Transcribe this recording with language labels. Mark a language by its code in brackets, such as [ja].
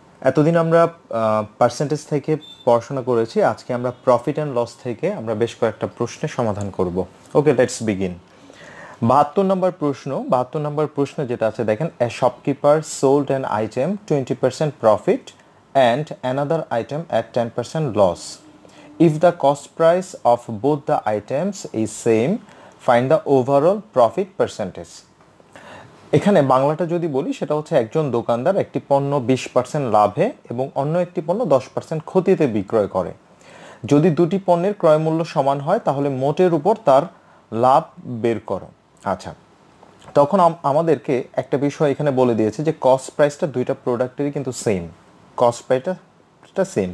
[bn] এতদিন আমরা পার্সেন্টেজ থেকে পড়াশোনা করেছি, আজকে আমরা প্রফিট অ্যান্ড লস থেকে আমরা বেশ কয়েকটা প্রশ্নের সমাধান করব। [en] Okay, let's begin. [bn] 72 নম্বর প্রশ্ন যেটা আছে, দেখেন, [en] A shopkeeper sold an item 20% profit and another item at 10% loss. If the cost price of both the items is same, find the overall profit percentage. [bn] এখানে বাংলাটা যদি বলি, সেটা হচ্ছে একজন দোকানদার একটি পণ্য 20% লাভে এবং অন্য একটি পণ্য 10% ক্ষতিতে বিক্রয় করে। যদি দুটি পণ্যের ক্রয় মূল্য সমান হয়, তাহলে মোটের উপর তার লাভ বের করো। আচ্ছা, তখন আমাদেরকে একটা বিষয় এখানে বলে দিয়েছে যে কস্ট প্রাইসটা দুইটা প্রোডাক্টেরই কিন্তু সেম, কস্ট প্রাইসটা সেম।